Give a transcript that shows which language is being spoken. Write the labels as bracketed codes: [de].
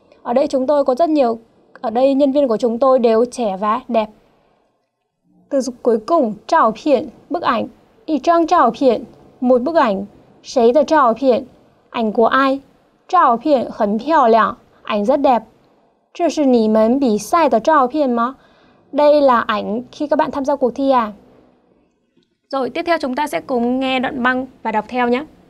[vi] Ở đây chúng tôi có rất nhiều. Ở đây nhân viên của chúng tôi đều trẻ và đẹp. Từ cuối cùng, 照片, bức ảnh. [zh] 一张照片, [vi] một bức ảnh. [zh] 谁的照片, [vi] ảnh của ai. [zh] 照片很漂亮, [vi] ảnh rất đẹp. [zh] 这是你们比赛的照片吗? [vi] Đây là ảnh khi các bạn tham gia cuộc thi à? Rồi, tiếp theo chúng ta sẽ cùng nghe đoạn băng và đọc theo nhé.